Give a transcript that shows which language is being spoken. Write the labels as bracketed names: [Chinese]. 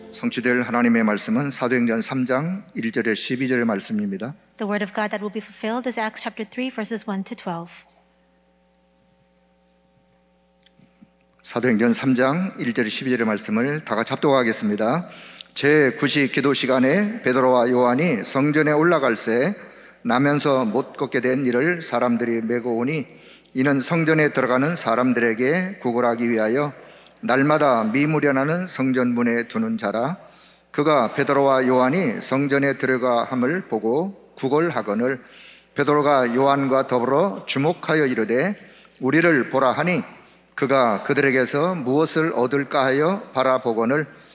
[English] Today, [Korean] 하나님의 말씀은 사도행전 3장 1절에 12절의 말씀입니다. [English] The word of God that will be fulfilled is Acts chapter 3, verses 1 to 12. [Korean] 사도행전 3장 1절에 12절의 말씀을 다 같이 합독하겠습니다. 제 9시 기도 시간에 베드로와 요한이 성전에 올라갈새 나면서 못 걷게 된 이를 사람들이 메고 오니 이는 성전에 들어가는 사람들에게 구걸하기 위하여 날마다 미문이라는 성전 문에 두는 자라 그가 베드로와 요한이 성전에 들어가 함을 보고 구걸하거늘 베드로가 요한과 더불어 주목하여 이르되 우리를 보라 하니 그가 그들에게서 무엇을 얻을까 하여 바라보거늘